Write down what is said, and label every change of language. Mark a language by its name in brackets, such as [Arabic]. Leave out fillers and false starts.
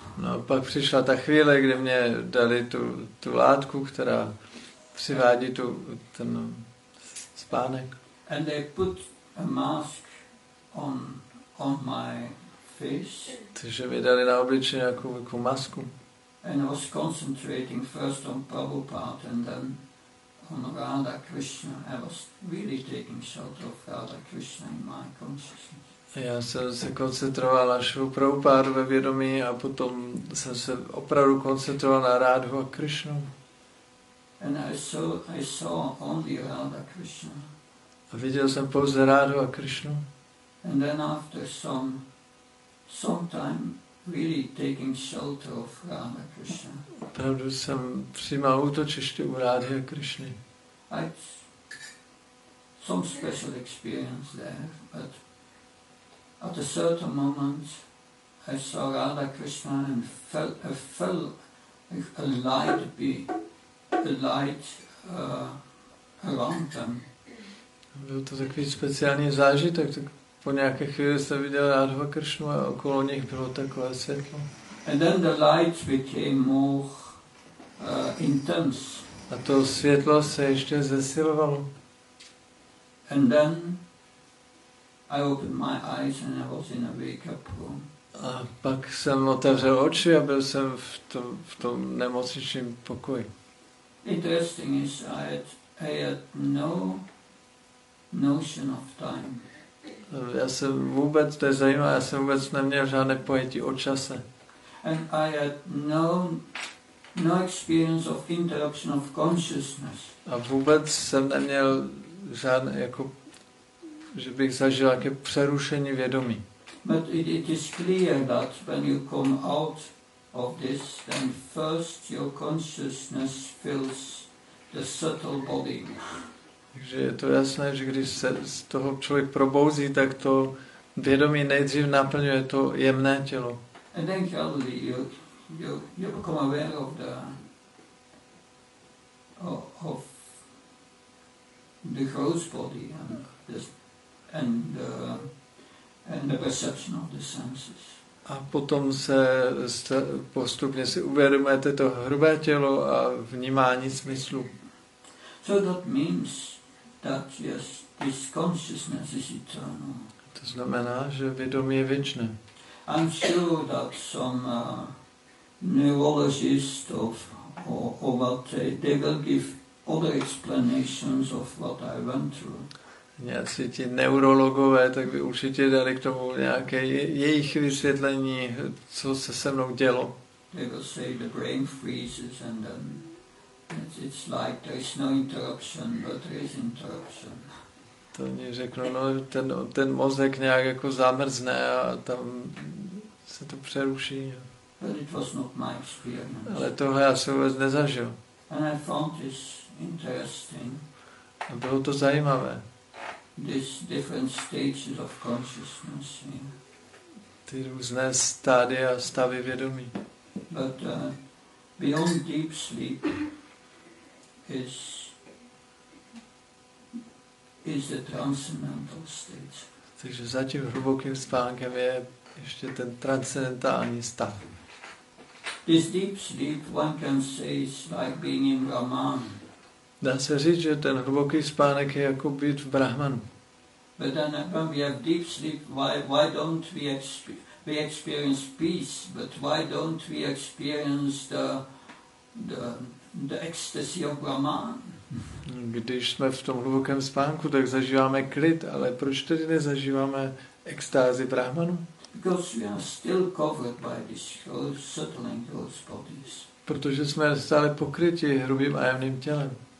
[Czech] No a pak přišla ta chvíle, kdy mě dali tu látku, která přivádí ten spánek. [English] And they put a mask on my face. [Czech] Takže mi dali na obličeji nějakou masku. [English] And I was concentrating first on Prabhupada and then on Radha Krishna. I was really taking shelter of Radha Krishna in my consciousness. [Czech] Já jsem se koncentroval na Shivu Prabhupádu ve vědomí a potom jsem se opravdu koncentroval na Rádhu a Krišnu. [English] And I saw only Radha Krishna. [Czech] A viděl jsem pouze Radu a Krishnu. [English] And then after some time really taking shelter of Radha Krishna. [Czech] Opravdu jsem přijímal útočiště u Rádhy a Krishny. [English] Some special experience there, but at a certain moment I saw Radha Krishna and felt a light around them. [Czech] Byl to takový speciální zážitek, tak po nějaké chvíli jsem viděl Radhu a Krishnu a okolo nich bylo takové světlo. [English] And then the light became more intense. [Czech] A to světlo se ještě zesilovalo. [English] And then I opened my eyes and I was in a wake-up room. [Czech] A pak jsem otevřel oči a byl jsem v tom nemocničním pokoji. [English] Interesting is I had no notion of time. [Czech] Já jsem vůbec neměl žádné pojetí o čase. [English] And I had no experience of interruption of consciousness. [Czech] A vůbec jsem neměl žádné, jako, že bych zažil nějaké přerušení vědomí. [English] But it is clear that when you come out of this, then first your consciousness fills the subtle body. [Czech] Takže je to jasné, že když se z toho člověk probouzí, tak to vědomí nejdřív naplňuje to jemné tělo. [English] And then gradually you become aware of the gross body and the perception of the senses. [Czech] A potom se postupně si uvědomujete to hrubé tělo a vnímání smyslu. [English] So that means that yes, this consciousness is eternal. [Czech] To znamená, že vědomí je věčné. [English] I'm sure that some neurologists or what they will give other explanations of what I went through. [Czech] Nějací ti neurologové, tak by určitě dali k tomu nějaké jejich vysvětlení, co se mnou dělo. [English] They will say the brain freezes and then it's like there is no interruption, but there is interruption. [Czech] To oni řeknou, no ten mozek nějak jako zamrzne a tam se to přeruší. [English] But it was not my experience. [Czech] Ale tohle já jsem vůbec nezažil. [English] And I found this interesting. [Czech] A bylo to zajímavé. [English] These different stages of consciousness. [Czech] Ty různé stádia a stavy vědomí. [English] But beyond deep sleep is the transcendental state. [Czech] Takže za tím hlubokým spánkem je ještě ten transcendentální stav. [English] This deep sleep, one can say, is like being in Brahman. [Czech] Dá se říct, že ten hluboký spánek je jako být v Brahmanu. [English] But then when we have deep sleep, why don't we experience peace? But why don't we experience the ecstasy of Brahman? [Czech] Když jsme v tom hlubokém spánku, tak zažíváme klid, ale proč tedy nezažíváme extázi Brahmanu? [English] Because we are still covered by this subtle and gross bodies. [Czech] Protože jsme stále pokryti hrubým a jemným tělem.